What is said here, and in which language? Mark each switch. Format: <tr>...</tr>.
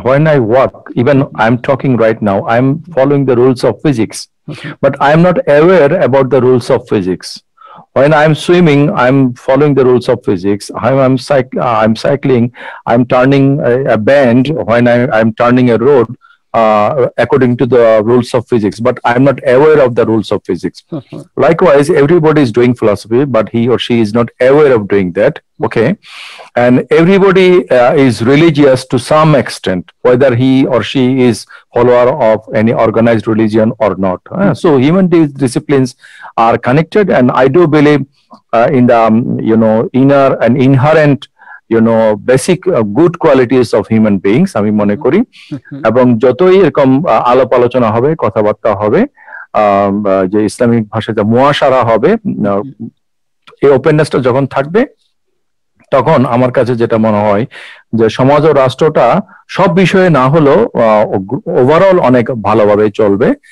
<en>When I work, even I am talking right now, I am following the rules of physics, but I am not aware about the rules of physics. When I am swimming I am following the rules of physics, I am cycling I am turning a bend, when I am turning a road according to the rules of physics, but I am not aware of the rules of physics. Likewise, everybody is doing philosophy, but he or she is not aware of doing that. Okay, and everybody is religious to some extent, whether he or she is follower of any organized religion or not. So human disciplines are connected, and I do believe in the inner and inherent basic good qualities of human beings,</en> <bn>আমি মনে করি, এবং যতই এরকম আলাপ আলোচনা হবে, কথাবার্তা হবে, যে ইসলামিক ভাষায় যে মুআশারা হবে, এই ওপেননেসটা যখন থাকবে তখন আমার কাছে যেটা মনে হয় যে সমাজ ও রাষ্ট্রটা সব বিষয়ে না হলেও ওভারঅল অনেক ভালোভাবে চলবে।</bn>